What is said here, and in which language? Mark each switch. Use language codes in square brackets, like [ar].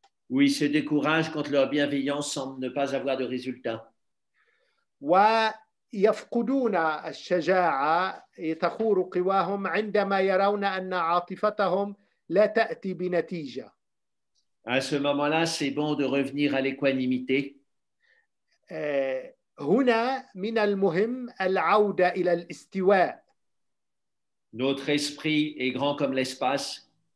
[fr] ou ils se découragent quand leur bienveillance semble ne pas avoir de résultat [ar] ويفقدون الشجاعة يتخور قواهم عندما يرون أن عاطفتهم لا تأتي بنتيجة. [fr] À ce moment-là, c'est bon de revenir à l'équanimité. [ar] هنا من المهم العودة إلى الاستواء. [fr] Notre esprit est grand comme l'espace.